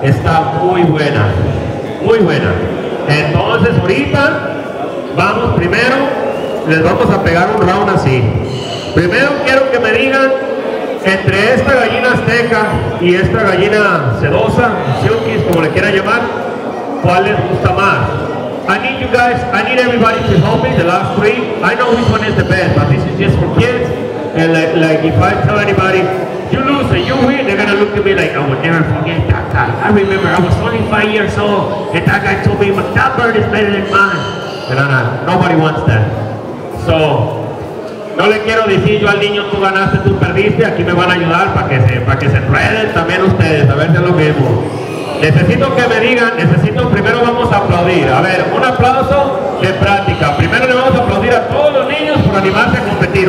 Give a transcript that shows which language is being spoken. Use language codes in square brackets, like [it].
[es] Está muy buena, muy buena. Entonces, ahorita vamos, primero les vamos a pegar un round así. Primero quiero que me digan, entre esta gallina azteca y esta gallina sedosa, Silkis, como le quieran llamar, ¿cuál les gusta más? [en] I need you guys, I need everybody to help me, the last three. I know which one is the best, but this is just for kids. And like if I tell anybody, you lose or you win, they're gonna look at me like, I will never forget that guy. I remember I was only 5 years old, and that guy told me, that bird is better than mine. And nobody wants that. [es] So, no le quiero decir yo al niño, tú ganaste, tú perdiste, aquí me van a ayudar para que se enreden también ustedes, a ver si es lo mismo. Necesito que me digan, primero vamos a aplaudir. A ver, un aplauso de práctica. Primero le vamos a aplaudir a todos los niños por animarse a competir.